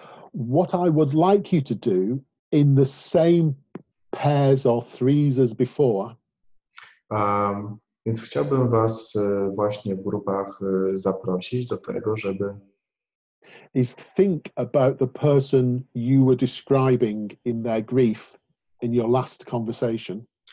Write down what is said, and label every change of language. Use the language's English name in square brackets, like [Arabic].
[English] What I would like you to do in the same pairs or threes as before. [Polish] Więc chciałbym was właśnie w grupach zaprosić do tego, żeby [English] is think about the person you were describing in their grief in your last conversation.